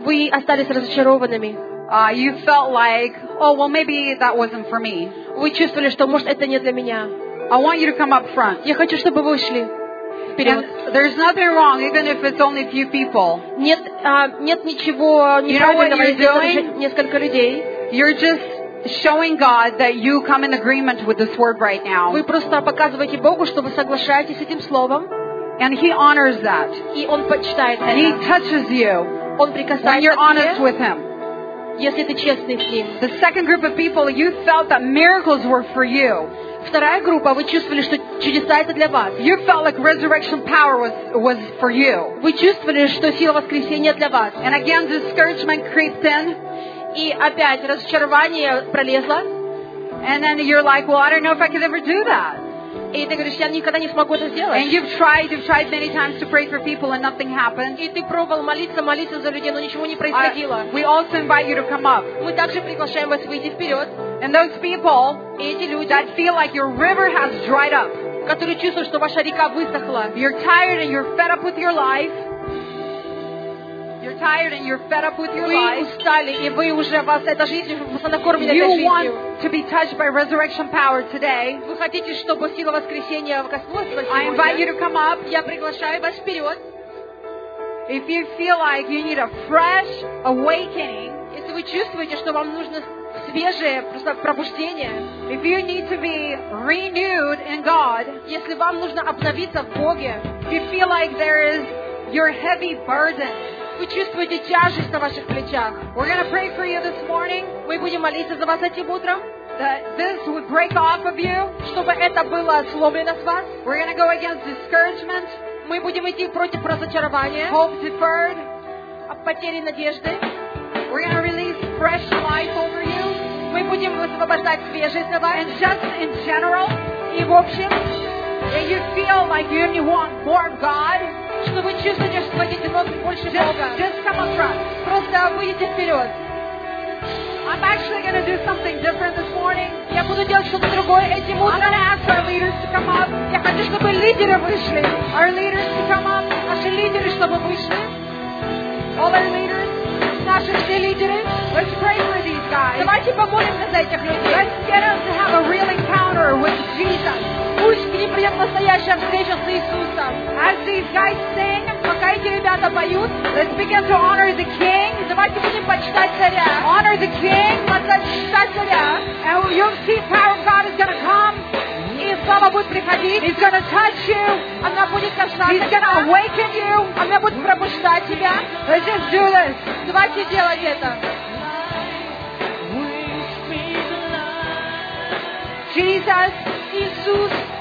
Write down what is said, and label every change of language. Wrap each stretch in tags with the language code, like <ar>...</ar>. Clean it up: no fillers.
<ru>Вы остались разочарованными.</ru> <en>You felt like, oh, well, maybe that wasn't for me.</en> <ru>Вы чувствовали, что, может, это не для меня.</ru> <en>I want you to come up front.</en> <ru>Я хочу, чтобы вы вышли.</ru> <en>And there's nothing wrong, even if it's only a few people.</en> <ru>Нет ничего неправильного, если это несколько людей.</ru> <en>You're just showing God that you come in agreement with this word right now.</en> <ru>Вы просто показываете Богу, что вы соглашаетесь с этим словом.</ru> <en>And He honors that.</en> <ru>И он почитает</ru> <en>And</en> <ru>это.</ru> <en>He touches you.</en> <ru>Он прикасается</ru> <en>when you're honest</en> <ru>тебе,</ru> <en>with Him.</en> <ru>Если ты честный с ним.</ru> <en>The second group of people, you felt that miracles were for you.</en> <ru>Вторая группа, вы чувствовали, что чудеса это для вас.</ru> <en>You felt like resurrection power was for you.</en> <ru>Вы чувствовали, что сила воскресения для вас.</ru> <en>And again, discouragement crept in.</en> <ru>И опять разочарование пролезло.</ru> <en>And then you're like, well, I don't know if I could ever do that.</en> <ru>И ты говоришь, я никогда не смогу это сделать.</ru> <en>And you've tried many times to pray for people and nothing happened.</en> <ru>И ты пробовал молиться за людей, но ничего не происходило.</ru> <en>We also invite you to come up.</en> <ru>Мы также приглашаем вас выйти вперед.</ru> <en>And those people,</en> <ru>и эти люди,</ru> <en>that feel like your river has dried up,</en> <ru>которые чувствуют, что ваша река высохла.</ru> <en>You're tired and you're fed up with your life. You're tired and you're fed up with your life.</en> <ru>Вы устали, и вы уже вас эта жизнь вас накормила этой жизнью.</ru> <en>You want to be touched by resurrection power today.</en> <ru>Вы хотите, чтобы сила воскресения коснулась вас сегодня?</ru> <en>I invite you to come up.</en> <ru>Я приглашаю вас вперед.</ru> <en>If you feel like you need a fresh awakening,</en> <ru>если вы чувствуете, что вам нужно свежее просто пробуждение,</ru> <en>if you need to be renewed in God,</en> <ru>если вам нужно обновиться в Боге,</ru> <en>if you feel like there is your heavy burden,</en> <ru>вы чувствуете тяжесть на ваших плечах,</ru> <en>we're gonna pray for you this morning,</en> <ru>мы будем молиться за вас этим утром.</ru> <en>That this would break off of you,</en> <ru>чтобы это было сломлено с вас.</ru> <en>We're gonna go against discouragement.</en> <ru>Мы будем идти против разочарования.</ru> <en>Hope deferred.</en> <ru>О потере надежды.</ru> <en>We're gonna release fresh life over you.</en> <ru>Мы будем высвобождать свежесть на вас.</ru> <en>And just in general,</en> <ru>и в общем,</ru> <en>if you feel like you want more of God,</en> <ru>что вы чувствуете, что хотите больше Бога,</ru> <en>just come up front.</en> <ru>Просто выйдите вперед.</ru> <en>I'm actually gonna do something different this morning.</en> <ru>Я буду делать что-то другое этим утром.</ru> <en>I'm gonna ask our leaders to come up.</en> <ru>Я хочу, чтобы лидеры вышли.</ru> <en>Our leaders to come up.</en> <ru>Наши лидеры, чтобы вышли.</ru> <en>All our leaders.</en> <ru>Наши все лидеры.</ru> <en>Let's pray for these guys.</en> <ru>Давайте помолимся за этих людей.</ru> <en>Let's get them to have a real encounter with Jesus.</en> <ru>Пусть к ним придет настоящая встреча с Иисусом.</ru> <en>As these guys sing,</en> <ru>пока эти ребята поют,</ru> <en>let's begin to honor the King.</en> <ru>Давайте будем почитать царя.</ru> <en>Honor the King.</en> <ru>Почитать царя.</ru> <en>And you'll see power of God is going to come.</en> <ru>И слава будет приходить.</ru> <en>He's going to touch you.</en> <ru>Она будет касаться.</ru> <en>He's going to awaken you.</en> <ru>Она будет пробуждать тебя.</ru> <en>Let's just do this.</en> <ru>Давайте делать это.</ru> <en>Jesus,</en> <ru>Иисус,</ru>